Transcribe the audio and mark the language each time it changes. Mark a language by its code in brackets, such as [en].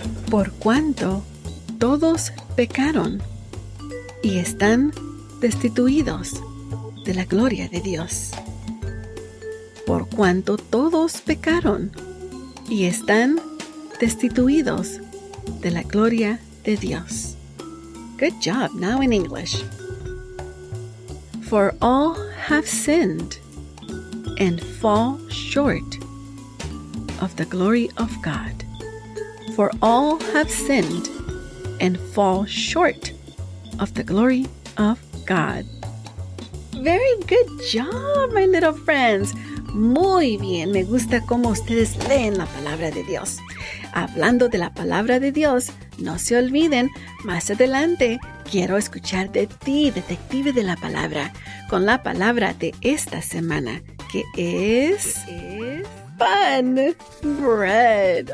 [es] Por cuanto todos pecaron y están destituidos de la gloria de Dios. Por cuanto todos pecaron y están destituidos de la gloria de Dios. [en] Good job. Now in English. For all have sinned and fall short of the glory of God. For all have sinned and fall short of the glory of God. Very good job, my little friends. [es] Muy bien. Me gusta cómo ustedes leen la palabra de Dios. hablando de la palabra de Dios, no se olviden, más adelante quiero escuchar de ti, detective de la palabra, con la palabra de esta semana, que es pan, [en] bread.